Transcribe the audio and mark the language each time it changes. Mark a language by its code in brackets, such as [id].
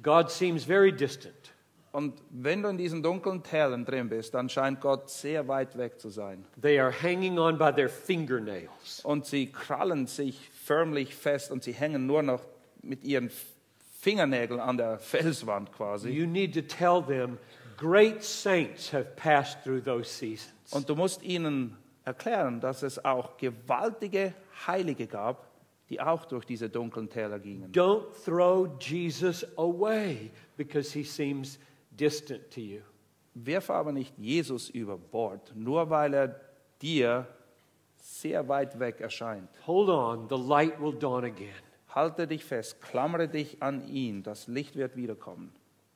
[en] God seems very distant. [de] Und wenn du in diesen dunklen Tälern drin bist, dann scheint Gott sehr weit weg zu sein. [en] They are hanging on by their fingernails. [de] Und sie krallen sich förmlich fest und sie hängen nur noch mit ihren Fingernägeln an der Felswand quasi. [en] You need to tell them, great saints have passed through those seasons. [de] Und du musst ihnen erklären, dass es auch gewaltige Heilige gab, die auch durch diese dunklen Täler gingen. [en] Don't throw Jesus away because he seems distant to you. [de] Werf aber nicht Jesus über Bord, nur weil dir sehr weit weg erscheint. [en] Hold on, the light will dawn again. [de] Halte dich fest, klammere dich an ihn, das Licht wird wiederkommen.